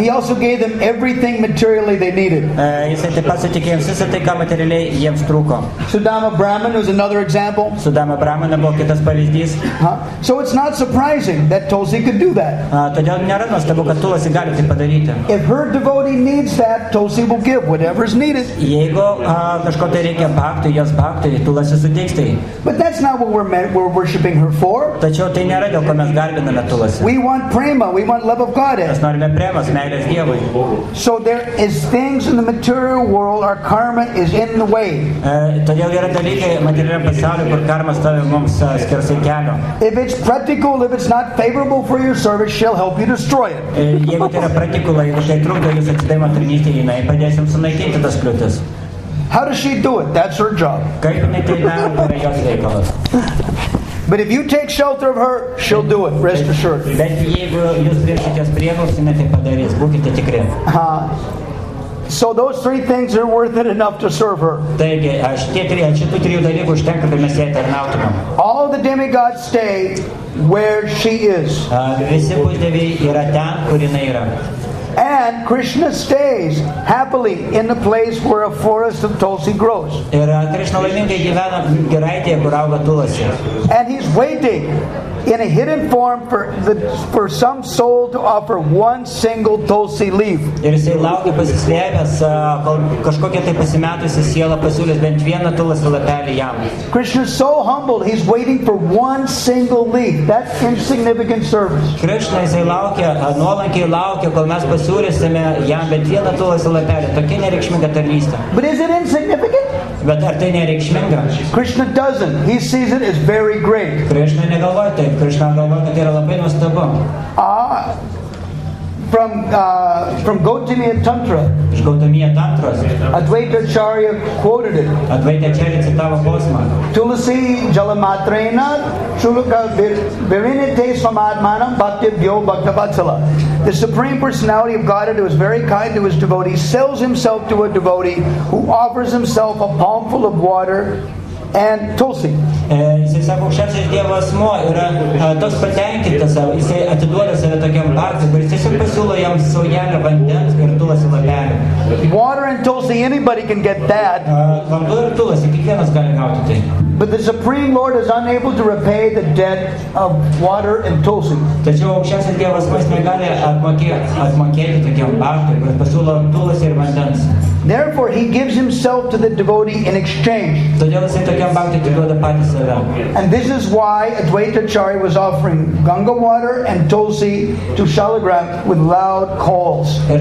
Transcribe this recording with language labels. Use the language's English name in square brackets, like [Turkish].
[English] He also gave them everything materially they needed. [Lithuanian] Jisai taip pat suteikė jiems visą tai, ką materialiai jiems trūko. [English] Sudama Brahmin was another example. [Lithuanian] Sudama Brahmin buvo kitas pavyzdys. [English] So it's not surprising that Tulsi could do that. [Lithuanian] Todėl nėra nuostabu, kad Tulsi gali tai padaryti. [English] If her devotee needs that, Tulsi will give whatever is needed. [Lithuanian] Jeigu kažko tai reikia bhakti, jos bhakti, Tulsi suteiks tai. [English] But that's not what we're worshipping her for. [Lithuanian] Tačiau tai nėra dėl ko mes garbiname Tulsi. [English] We want prema, we want love of God. [Lithuanian] Mes norime premas, meilės Dievui. [English] So there is things in the material world, our karma is in the way. [Lithuanian] Todėl yra dalykai materialiam pasauliu, kur karma stovi mums skersai kelio. [English] If it's practical, if it's not favorable for your service, she'll help you destroy it. [Lithuanian] Jeigu tai yra praktikula, jeigu tai trukdo jūsų atsidavimo tarnystei, jinai padės jums sunaikinti tas kliūtis. [English] How does she do it? That's her job. [Lithuanian] Kaip jinai tai daro, tai jos reikalas. [English] But if you take shelter of her, she'll do it, rest assured. [Lithuanian] Bet jeigu jūs priešitės prieglaus, jinai tai padarys, būkite tikri. [English] So those three things are worth it enough to serve her. [Lithuanian] Taigi, šitų trijų dalykų užtenka, kad mes jai tarnautumėm. [English] All the demigods stay where she is. [Lithuanian] Visi pusdieviai yra ten, kur jinai yra. [English] And Krishna stays happily in the place where a forest of Tulsi grows. [Lithuanian] Ir Krishna laimingai gyvena giraitėje, kur auga Tulsi. [English] And he's waiting in a hidden form for some soul to offer one single Tulsi leaf. [Lithuanian] Ir jisai laukia pasislėpęs, kol kažkokia tai pasimetusi siela pasiūlys bent vieną Tulsi lapelį jam. [English] Krishna is so humble, he's waiting for one single leaf. That's insignificant service. [Lithuanian] Krishna jisai laukia, nuolankiai laukia, kol mes pasiūlysime jam bent vieną Tulsi lapelį. Tokia nereikšminga tarnystė. [English] But is it insignificant? [Lithuanian] Bet ar tai nereikšminga? [English] Krishna doesn't. He sees it as very great. [Lithuanian] Krishna negalvoja taip. Krishna galvoja, kad yra labai nuostabu. [English] From Gautamiya Tantra. [Lithuanian] Iš Gautamiya Tantras. [English] Advaita Acharya quoted it. [Lithuanian] Advaita Acharya citavo posmą. [Sanskrit] Tulsi jalamatrena chuluka virinite samadmanam bhakti vyo bhakta vatsala. [English] The Supreme Personality of Godhead, who is very kind to his devotee, sells himself to a devotee who offers himself a palmful of water and Tulsi. [Lithuanian] Jis sako, aukščiausias Dievo asmo yra toks patenkintas savo, jis atiduoda save tokiam lardui, kuris tiesiog pasiūlo jam saujelę vandens ir tulasi lapelį. [English] Water and tulsi, anybody can get that. [Lithuanian] Vanduo ir tulasi, kiekvienas gali gauti tai. [English] But the Supreme Lord is unable to repay the debt of water and tulsi. [Lithuanian] Tačiau aukščiausias Dievas pats negali atmokėti tokiam lardui, kuris pasiūlo tulasi ir vandens. [English] Therefore, he gives himself to the devotee in exchange. And this is why Advaita Acharya was offering Ganga water and Tulsi to Shalagram with loud calls.